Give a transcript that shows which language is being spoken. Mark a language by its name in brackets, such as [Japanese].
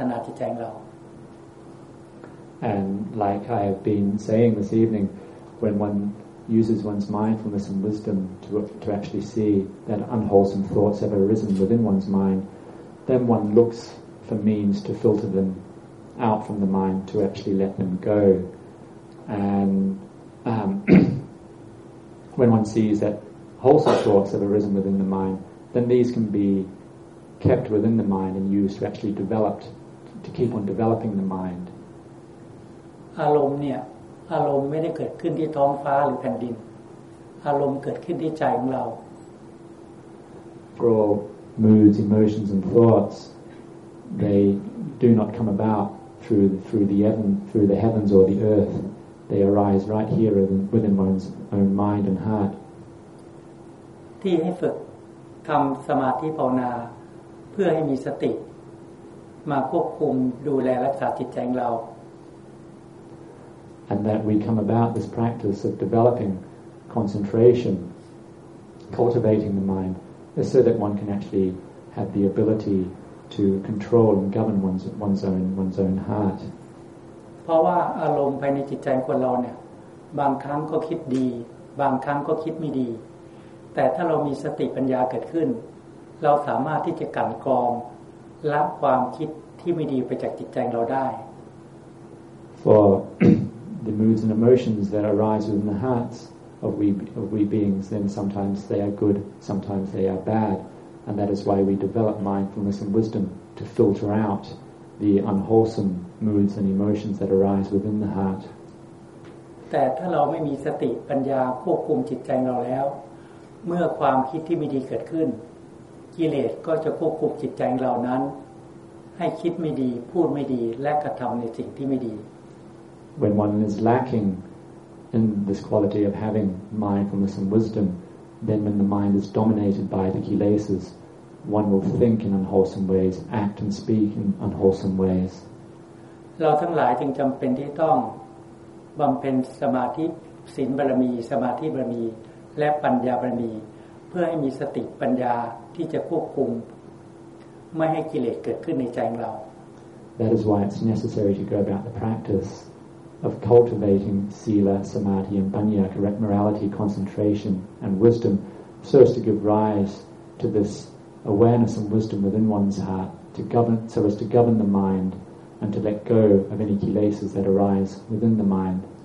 [English] And like I have been saying this evening, when one uses one's mindfulness and wisdom to actually see that unwholesome thoughts have arisen within one's mind, then one looks for means to filter them out from the mind to actually let them go. And when one sees that wholesome thoughts have arisen within the mind, then these can be kept within the mind and used to actually develop. To keep on developing the mind. [Thai] อารมณ์เนี่ยอารมณ์ไม่ได้เกิดขึ้นที่ท้องฟ้าหรือแผ่นดินอารมณ์เกิดขึ้นที่ใจของเรา [English] For moods, emotions, and thoughts, they do not come about through the heavens or the earth. They arise right here within one's own mind and heart. [Thai] ที่ให้ฝึกทำสมาธิภาวนาเพื่อให้มีสติมาควบคุมดูแลรักษาจิตใจของเรา [English] and that we come about this practice of developing concentration cultivating the mind is so that one can actually have the ability to control and govern one's own heart [Thai] เพราะว่าอารมณ์ภายในจิตใจคนเราเนี่ยบางครั้งก็คิดดีบางครั้งก็คิดไม่ดีแต่ถ้าเรามีสติปัญญาเกิดขึ้นเราสามารถที่จะกั้นกรอง ละความคิดที่ไม่ดีไปจากจิตใจเราได้ [English] For the moods and emotions that arise within the hearts of we beings, then sometimes they are good, sometimes they are bad, and that is why we develop mindfulness and wisdom to filter out the unwholesome moods and emotions that arise within the heart. [Thai] แต่ถ้าเราไม่มีสติปัญญาควบคุมจิตใจเราแล้วเมื่อความคิดที่ไม่ดีเกิดขึ้นกิเลสก็จะควบคุมจิตใจเรานั้นให้คิดไม่ดีพูดไม่ดีและกระทำในสิ่งที่ไม่ดี [English] When one is lacking in this quality of having mindfulness and wisdom, then when the mind is dominated by the kilesas, one will think in unwholesome ways, act and speak in unwholesome ways. [Thai] เราทั้งหลายจึงจำเป็นที่ต้องบำเพ็ญสมาธิศีลบารมีสมาธิบารมีและปัญญาบารมีเพื่อให้มีสติปัญญาที่จะควบคุมไม่ให้กิเลสเกิดขึ้นในใจเรา [English] That is why it's necessary to go about the practice of cultivating sila, samadhi, and panya, correct morality, concentration, and wisdom, so as to give rise to this awareness and wisdom within one's heart, to govern, so as to govern the mind, and to let go of any kilesas that arise within the mind.